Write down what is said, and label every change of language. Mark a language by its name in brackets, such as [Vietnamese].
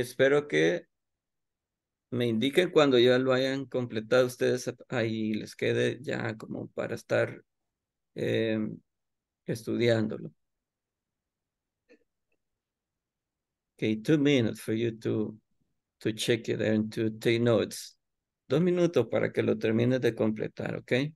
[Spanish] Espero que me indiquen cuando ya lo hayan completado ustedes. Ahí les quede ya como para estar estudiándolo. [English] Okay. 2 minutes for you to check it and to take notes. [Spanish] 2 minutos para que lo termines de completar, ¿ok?